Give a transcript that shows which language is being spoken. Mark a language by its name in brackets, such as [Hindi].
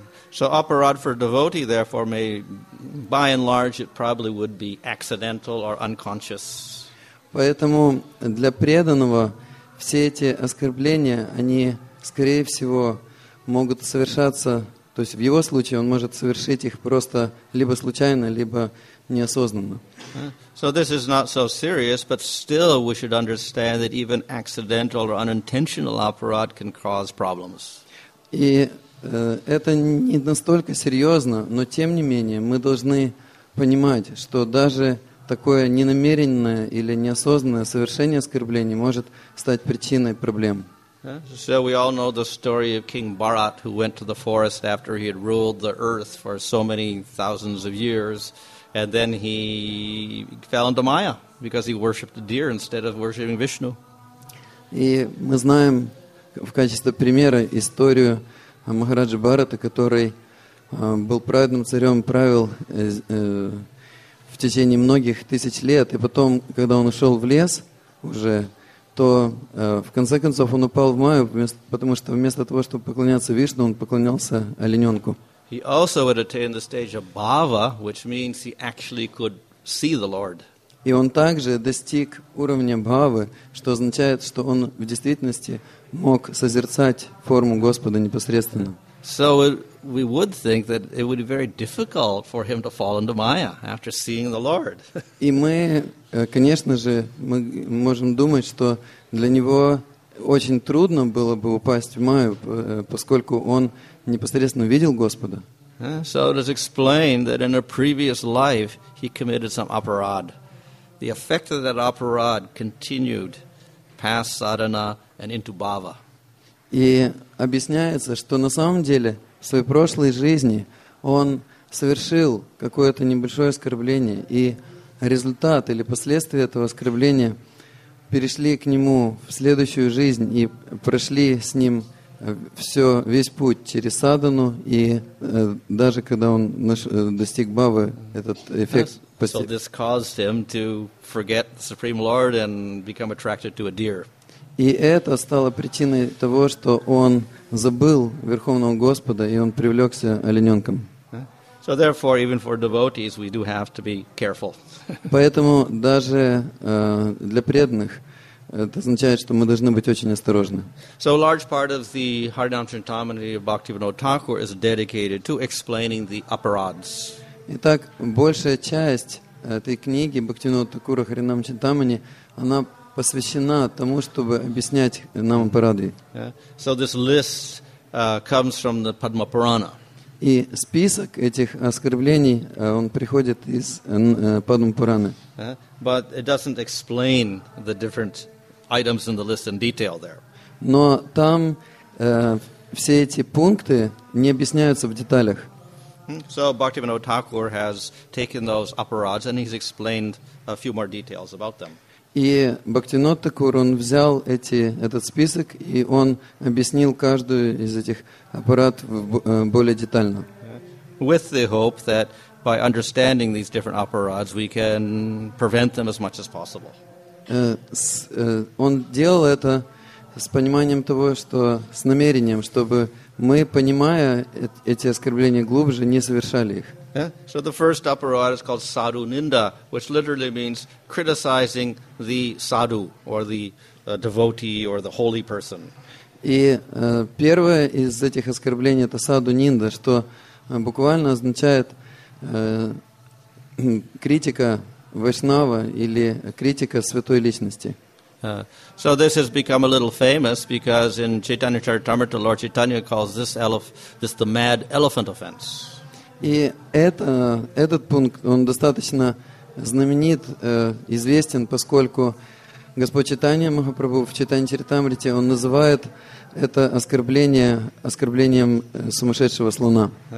[English] So aparad for devotee, therefore, may, by and large, it probably would be accidental or unconscious. [Russian] Поэтому для преданного все эти оскорбления, они, скорее всего, могут совершаться. То есть в его случае он может совершить их просто либо случайно, либо неосознанно. [English] So this is not so serious, but still we should understand that even accidental or unintentional aparad can cause problems. [Russian] И это не настолько серьезно, но тем не менее мы должны понимать, что даже такое ненамеренное или неосознанное совершение оскорблений может стать причиной проблем. [English] So we all know the story of King Bharat, who went to the forest after he had ruled the earth for so many thousands of years, and then he fell into Maya because he worshipped a deer instead of worshipping Vishnu. [Russian] И мы знаем в качестве примера историю Махараджи Бхарата, который был праведным царем, правил в течение многих тысяч лет, и потом, когда он ушел в лес уже, то в конце концов он упал в Майю, потому что вместо того, чтобы поклоняться Вишну, он поклонялся олененку. [English] He also would attain the stage of bhava, which means he actually could see the Lord. [Russian] И он также достиг уровня бхавы, что означает, что он в действительности мог созерцать форму Господа непосредственно. [English] So we would think that it would be very difficult for him to fall into Maya after seeing the Lord. [Russian] И мы, конечно же, мы можем думать, что для него очень трудно было бы упасть в Майю, поскольку он непосредственно видел Господа. [English] So it is explained that in a previous life he committed some aparad. The effect of that aparad continued past sadhana and into bhava. [Russian] И объясняется, что на самом деле в своей прошлой жизни он совершил какое-то небольшое оскорбление, и результат или последствия этого оскорбления перешли к нему в следующую жизнь и прошли с ним все, весь путь через садхану, и даже когда он достиг бхавы, этот эффект постепенно. [English] So this caused him to forget the Supreme Lord and become attracted to a deer. [Russian] И это стало причиной того, что он забыл Верховного Господа, и он привлекся олененком. [English] So therefore, even for devotees, we do have to be careful. [Russian] Поэтому даже для преданных это означает, что мы должны быть очень осторожны. [English] So a large part of the Harinam Chintamani of Bhaktivinoda Thakur is dedicated to explaining the aparadhas. [Russian] Итак, большая часть этой книги Бхактивинода Такура Харинам Чинтамани, она посвящена тому, чтобы объяснять нам парады. [English] So this list comes from the Padma Purana. [Russian] И список этих оскорблений, он приходит из Падма Пураны. [English] But it doesn't explain the different items in the list in detail there. [Russian] Но там все эти пункты не объясняются в деталях. [English] So Bhaktivinoda Thakur has taken those aparadhas and he's explained a few more details about them. [Russian] И Бхактивинода Такур, он взял этот список, и он объяснил каждую из этих аппарат более детально. [English] With the hope that by understanding these different aparads, we can prevent them as much as possible. [Russian] Он делал это с пониманием того, что с намерением, чтобы мы, понимая эти оскорбления глубже, не совершали их. [English] So the first aparad is called sadhu ninda, which literally means criticizing the sadhu or the devotee or the holy person. [Russian] И первое из этих оскорблений это sadhu ninda, что буквально означает критика вайшнава или критика святой личности. [English] So this has become a little famous because in Chaitanya Charitamrita, Lord Chaitanya calls this the mad elephant offense. [Russian] И этот пункт, он достаточно знаменит, известен, поскольку Господь Чайтанья Махапрабху в Чайтанья Чаритамрите, он называет это оскорблением сумасшедшего слона.